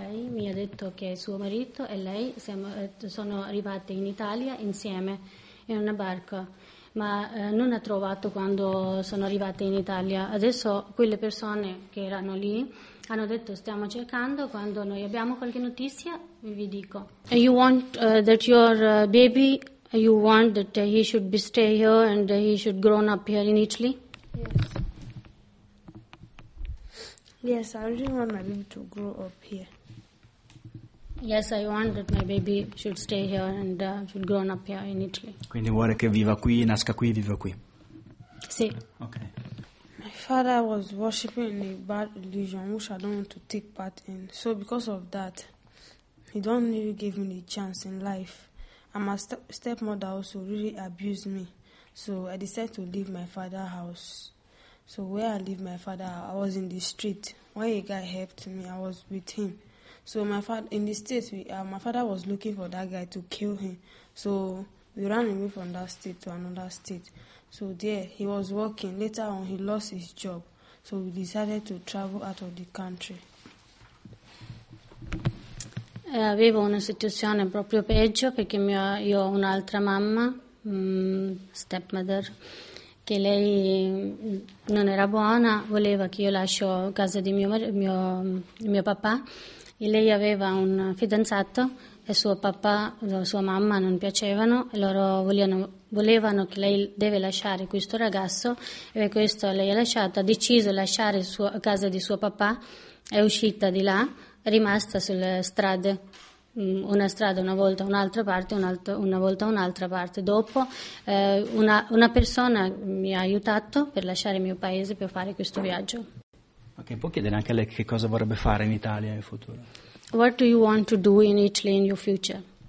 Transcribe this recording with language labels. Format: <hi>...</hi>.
<it>Mi ha detto che suo marito e lei sono arrivate in Italia insieme in una barca, ma non ha trovato quando sono arrivate in Italia. Adesso quelle persone che erano lì hanno detto: stiamo cercando, quando noi abbiamo qualche notizia vi dico.</it> <en>You want that your baby, you want that he should be stay here and he should grown up here in Italy? Yes, I really want my baby to grow up here. Yes, I want that my baby should stay here and should grow up here in Italy.</en> <it>Quindi vuole che viva qui, nasca qui, viva qui. Sì.</it> <en>Okay. My father was worshiping in a bad religion, which I don't want to take part in. So because of that, he don't really give me the chance in life. And my stepmother also really abused me. So I decided to leave my father's house. So where I leave my father, I was in the street. When a guy helped me, I was with him. So my father in the States, my father was looking for that guy to kill him. So we ran away from that state to another state. So there, he was working. Later on, he lost his job. So we decided to travel out of the country.</en> <it>Avevo una situazione proprio peggio perché io ho un'altra mamma, stepmother, che lei non era buona, voleva che io lascio casa di mio papà. E lei aveva un fidanzato e suo papà, sua mamma non piacevano, e loro volevano volevano che lei deve lasciare questo ragazzo, e questo lei ha lasciato, ha deciso di lasciare la casa di suo papà, è uscita di là, è rimasta sulle strade, una strada una volta un'altra parte, una volta un'altra parte. Dopo una persona mi ha aiutato per lasciare il mio paese, per fare questo viaggio. Ok, può chiedere anche a lei che cosa vorrebbe fare in Italia in futuro?</it> <en>What do you want to do in Italy in your future?</en>